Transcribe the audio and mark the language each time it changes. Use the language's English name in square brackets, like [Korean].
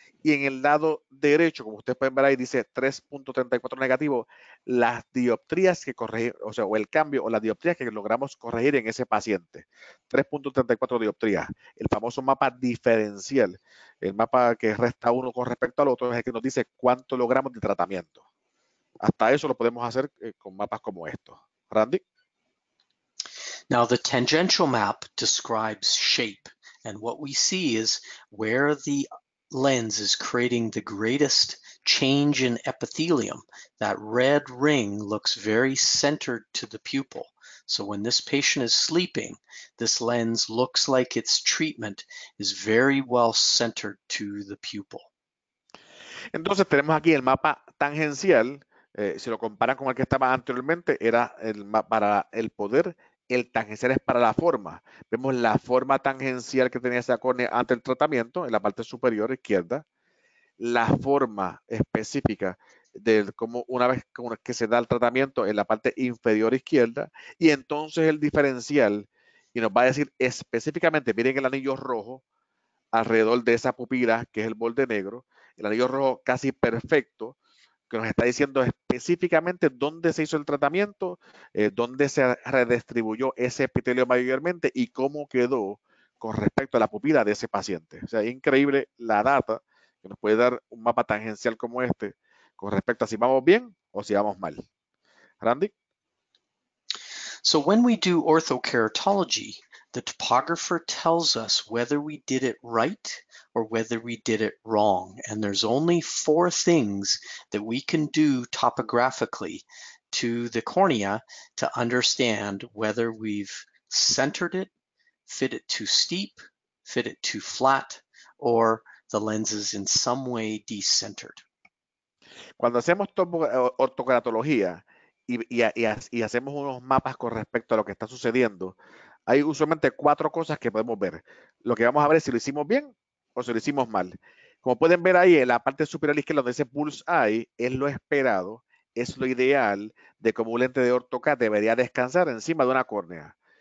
[Spanish] Y en el lado derecho, como ustedes pueden ver ahí, dice 3.34 negativo, las dioptrías que corregir, o sea, o el cambio, o las dioptrías que logramos corregir en ese paciente. 3.34 dioptrías. El famoso mapa diferencial, el mapa que resta uno con respecto al otro, es el que nos dice cuánto logramos de tratamiento. Hasta eso lo podemos hacer con mapas como estos. Randy. [English] Now, the tangential map describes shape, and what we see is where the lens is creating the greatest change in epithelium. That red ring looks very centered to the pupil. So when this patient is sleeping, this lens looks like its treatment is very well centered to the pupil. [Spanish] Entonces tenemos aquí el mapa tangencial. Si lo comparan con el que estaba anteriormente, era el mapa para el poder. El tangencial es para la forma. Vemos la forma tangencial que tenía esa córnea ante el tratamiento en la parte superior izquierda. La forma específica de cómo una vez que se da el tratamiento en la parte inferior izquierda. Y entonces el diferencial, y nos va a decir específicamente, miren el anillo rojo alrededor de esa pupila, que es el borde negro. El anillo rojo casi perfecto, que nos está diciendo específicamente dónde se hizo el tratamiento, dónde se redistribuyó ese epitelio mayormente y cómo quedó con respecto a la pupila de ese paciente. O sea, increíble la data que nos puede dar un mapa tangencial como este con respecto a si vamos bien o si vamos mal. Randy. [English] So when we do orthokeratology, the topographer tells us whether we did it right or whether we did it wrong. And there's only four things that we can do topographically to the cornea to understand whether we've centered it, fit it too steep, fit it too flat, or the lens is in some way decentered. [Spanish] Cuando hacemos ortogratología y hacemos unos mapas con respecto a lo que está sucediendo, hay usualmente cuatro cosas que podemos ver. Lo que vamos a ver es si lo hicimos bien o si lo hicimos mal. Como pueden ver ahí, en la parte superior izquierda donde dice bullseye, es lo esperado, es lo ideal de cómo un lente de ortocat debería descansar encima de una córnea.